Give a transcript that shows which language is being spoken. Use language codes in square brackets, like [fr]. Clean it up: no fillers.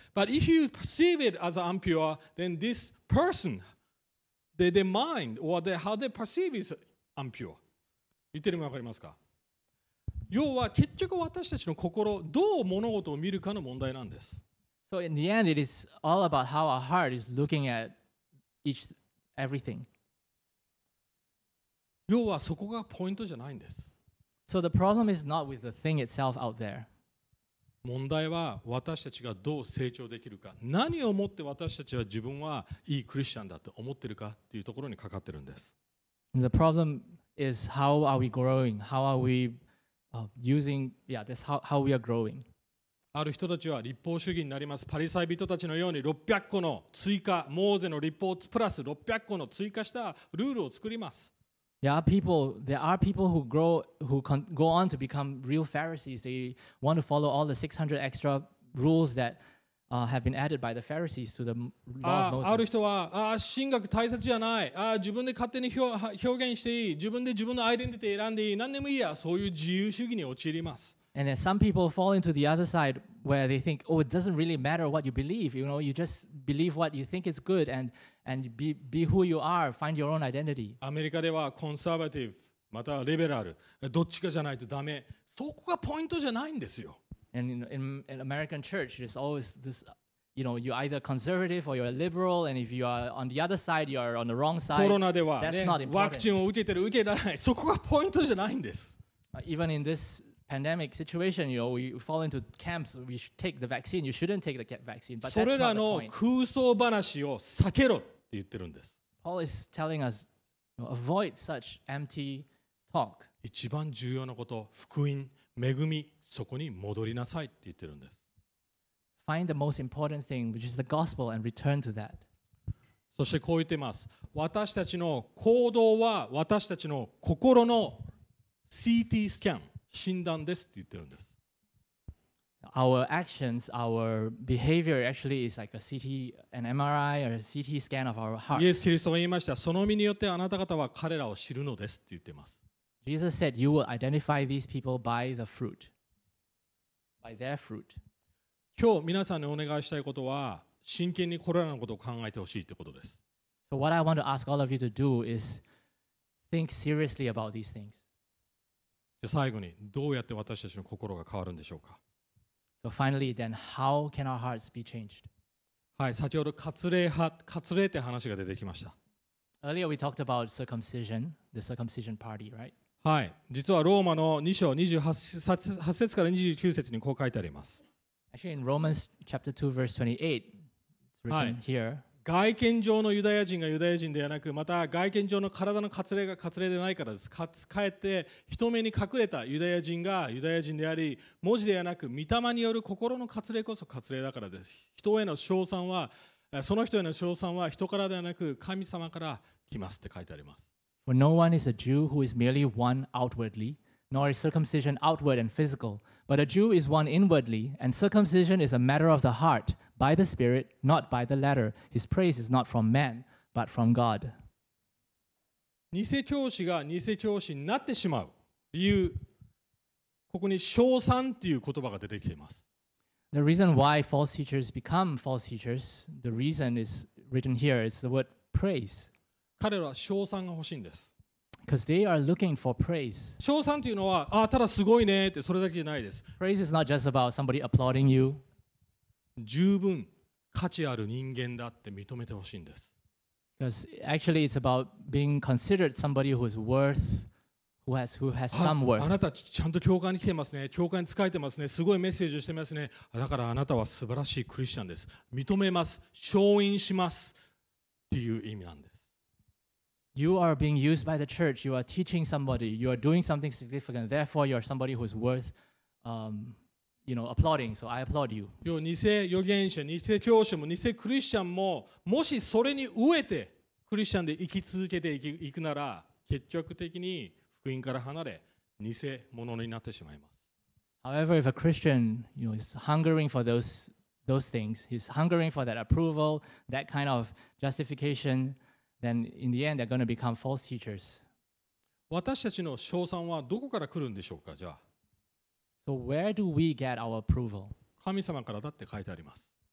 [en] But if you perceive it as impure, then this person, their mind or how they perceive is impure. [ja] 言ってるのが分かりますか？要は結局私たちの心どう物事を見るかの問題なんです。 [en] So in the end, it is all about how our heart is looking at everything. [ja] 要はそこがポイントじゃないんです。 [en] So the problem is not with the thing itself out there. [ja] 問題は私たちがどう成長できるか、何をもって私たちは自分はいいクリスチャンだと思ってるかっていうところにかかってるんです。 [en] The problem is how are we growing? How are we using? Yeah, that's how we are growing. [ja] ある人たちは立法主義になります。パリサイ人たちのように600個の追加、モーゼの立法プラス600個の追加したルールを作ります。 [en] There are people who go on to become real Pharisees. They want to follow all the 600 extra rules that have been added by the Pharisees to the law of Moses. [ja] ある人は、神学大切じゃない。自分で勝手に表現していい。自分で自分のアイデンティティ選んでいい。何でもいいや。そういう自由主義に陥ります。 [en] And then some people fall into the other side where they think, oh, it doesn't really matter what you believe. You know, you just believe what you think is good and be who you are, find your own identity. [ja] アメリカではコンサーバティブ、またはリベラル、どっちかじゃないとダメ。そこがポイントじゃないんですよ。 [en] And in American church, it's always this, you know, you're either conservative or you're liberal, and if you are on the other side, you are on the wrong side. [ja] コロナでは、ね、 [en] That's not important. [ja] ワクチンを受けてる、受けてない。そこがポイントじゃないんです。 [en] Even in this pandemic situation, you know, we fall into camps. We should take the vaccine. You shouldn't take the vaccine. But [ja] それらの空想話を避けろって言ってるんです。 [en] Paul is telling us, you know, avoid such empty talk. [ja] 一番重要なこと、福音、恵み、そこに戻りなさいって言ってるんです。 [en] Find the most important thing, which is the gospel, and return to that. [ja] そしてこう言ってます。私たちの行動は私たちの心の CT スキャン、診断ですって言ってるんです。 [en] Our actions, our behavior actually is like a CT, an MRI or a CT scan of our heart. [ja] イエス・キリストが言いました。その身によってあなた方は彼らを知るのですって言ってます。 [en] Jesus said, you will identify these people by the fruit, by their fruit. [ja] 今日皆さんにお願いしたいことは、真剣にこれらのことを考えてほしいということです。 [en] So what I want to ask all of you to do is think seriously about these things. [ja] じゃあ最後に、どうやって私たちの心が変わるんでしょうか。 [en] So finally, then, how can our hearts be changed? [ja] はい、先ほど割礼派、割礼って話が出てきました。 [en] Earlier we talked about circumcision, the circumcision party, right? [ja] はい、実はローマの2章28節から29節にこう書いてあります。 [en] Actually, in Romans chapter 2, verse 28, it's written here. [ja] 外見上のユダヤ人がユダヤ人ではなく、また外見上の体の割礼が割礼でないからです。かえって人目に隠れたユダヤ人がユダヤ人であり、文字ではなく御霊による心の割礼こそ割礼だからです。人への称賛は、その人への称賛は人からではなく神様から来ますって書いてあります。 [en] For no one is a Jew who is merely one outwardly, nor is circumcision outward and physical, but a Jew is one inwardly, and circumcision is a matter of the heart, by the Spirit, not by the letter. His praise is not from man, but from God. [ja] 偽教師が偽教師になってしまう理由、ここに称賛っていう言葉が出てきています。 [en] The reason why false teachers become false teachers, the reason is written here, is the word praise. [ja] 彼らは称賛が欲しいんです。 [en] Because they are looking for praise. [ja] 称賛というのは、ああただすごいねってそれだけじゃないです。 [en] Praise is not just about somebody applauding you. [ja] 十分価値ある人間だって認めて欲しいんです。 [en] Because actually it's about being considered somebody who is worth, who has some worth. [ja] あなたちゃんと教会に来てますね。教会に仕えてますね。すごいメッセージをしてますね。だからあなたは素晴らしいクリスチャンです。認めます。承認します。っていう意味なんです。 [en] You are being used by the church. You are teaching somebody. You are doing something significant. Therefore, you are somebody who is worth, you know, applauding. So I applaud you. [ja] 偽預言者、偽教師も、偽クリスチャンも、もしそれに飢えてクリスチャンで生き続けていくなら、結局的に福音から離れ、偽物になってしまいます。 [en] However, if a Christian, you know, is hungering for those things, he's hungering for that approval, that kind of justification. Then in the end, they're going to become false teachers. [ja] 私たちの称賛はどこから来るんでしょうか、じゃあ。 [en] So where do we get our approval? [ja] 神様からだって書いてあります。